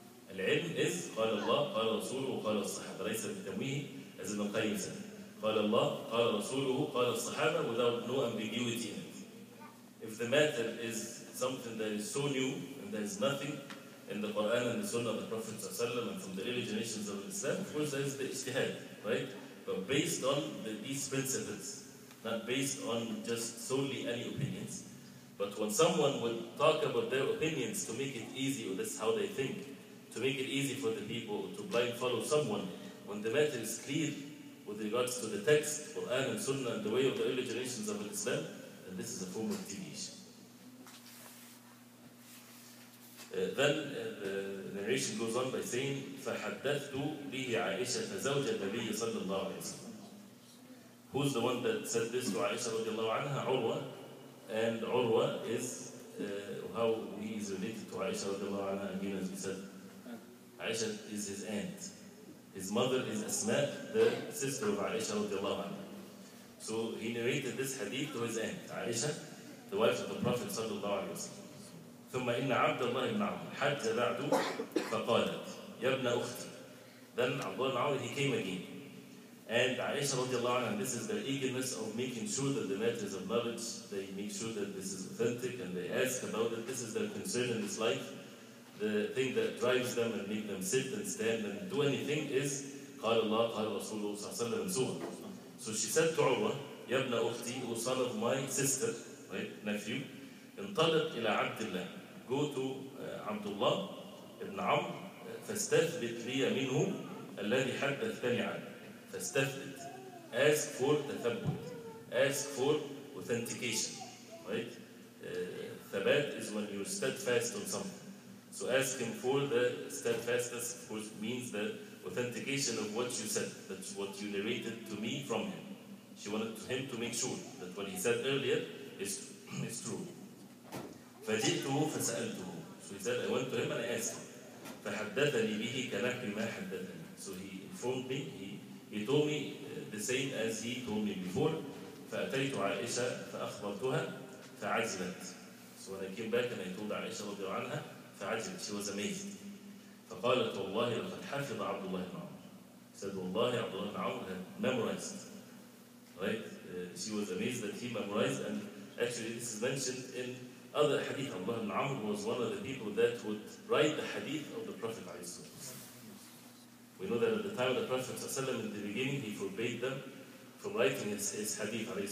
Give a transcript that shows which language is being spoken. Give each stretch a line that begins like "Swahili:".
English: Al-ilm is
Arabic: قال الله قال رسوله قال الصحابة. ليس بتمويه
English: as in al-qayyim said.
Arabic: قال الله قال رسوله قال الصحابة
English: without no ambiguity in it. If the matter is something that is so new and there is nothing in the Quran and the Sunnah of the Prophet ﷺ and from the early generations of Islam, of course there is the ijtihad, right? But based on these principles, not based on just solely any opinions. But when someone would talk about their opinions to make it easy, or that's how they think, to make it easy for the people to blind follow someone, when the matter is clear with regards to the text, Quran and Sunnah, and the way of the early generations of Islam, then this is a form of deviation. Then the narration goes on by saying,
Arabic: فَحَدَّثْتُ بِهِ عَائِشَةَ فَزَوْجَ النَّبِيِّ صَلَّى اللَّهُ عَلَيْهِ وَسَلَّمَ.
English: Who's the one that said this to Aisha radiallahu anha? Urwa. And Urwa is, how he is related to Aisha radiallahu anha, again as we said. Aisha is his aunt. His mother is Asma, the sister of Aisha radiallahu anha. So he narrated this hadith to his aunt, Aisha, the wife of the Prophet sallallahu alayhi wa sallam.
Arabic: ثم إن عبد الله بن عمرو حج بعد فقالت يا ابن أختي.
English: Then عبد الله بن عمرو, he came again. And عائشة رضي الله عنها, this is their eagerness of making sure that the matters of knowledge, they make sure that this is authentic and they ask about it. This is their concern in this life. The thing that drives them and make them sit and stand and do anything is
Arabic: قال الله قال رسول الله صلى الله عليه وسلم سورة.
English: So she said to عروة,
Arabic: يا ابن أختي,
English: who son of my sister, right, nephew,
Arabic: انطلق إلى عبد الله.
English: Go to
Arabic: عبد الله ابن عمرو فاستثبت لي منه الذي حدثتني عنه. فاستثبت.
English: Ask for تثبت. Ask for authentication. Right? ثبات is when you're steadfast on something. So ask him for the steadfastness, which means the authentication of what you said. That's what you narrated to me from him. She wanted him to make sure that what he said earlier is true.
Arabic: فجئته فسألته.
English: So he said, I went to him and I asked him.
Arabic: فحدثني به كنحو ما حدثني.
English: So he informed me, he told me the same as he told me before.
Arabic: فأتيت عائشة فأخبرتها فعجبت.
English: So when I came back and I told عائشة رضي الله عنها, فعجبت. She was amazed.
Arabic: فقالت والله لقد حفظ عبد الله بن عمرو.
English: Said,
Arabic: والله عبد الله بن عمرو
English: had memorized. Right? She was amazed that he memorized. And actually this is mentioned in other hadith. Abdullah ibn Amr was one of the people that would write the hadith of the Prophet. We know that at the time of the Prophet, in the beginning, he forbade them from writing his hadith.